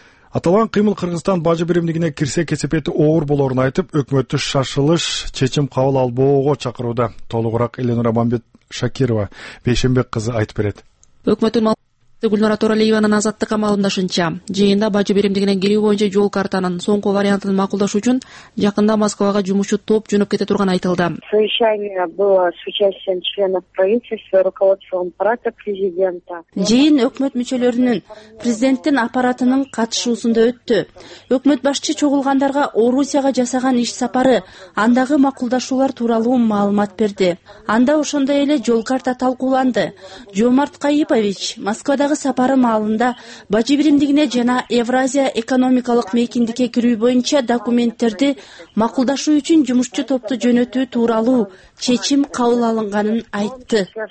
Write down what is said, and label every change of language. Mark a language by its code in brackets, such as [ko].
[ky] Аталган кыймыл Кыргызстан бажы биримдигине кирсе кесепети оор болорун айтып, өкмөттү шашылыш чечим кабыл албоого чакырууда. Толугураак Эленура Мамбет Шакирова, Бейшенбек кызы айтып берет. Өкмөттүн Гүлнара Торалиеванын Азаттык маалымдашынча, жыйында бажы биримдигине кирүү боюнча жол картанын соңку вариантын макулдаш үчүн жакында Москвага жумушчу топ жөнөп кете турганы айтылды. [ru] Совещание было с участием членов правительства, руководством аппарата президента. [ky] Жыйын өкмөт мүчөлөрүнүн президенттин аппаратынын катышуусунда өттү. Өкмөт башчы чогулгандарга Орусияга жасаган иш сапары, андагы макулдашуулар тууралуу маалымат берди. Анда ошондой эле жол карта талкууланды. Жомарт Кайыпович Москвадагы сапары маалында бажы биримдигине жана Евразия экономикалык мейкиндикке кирүү боюнча документтерди макулдашуу үчүн жумушчу топту жөнөтүү тууралуу чечим кабыл алынганын айтты.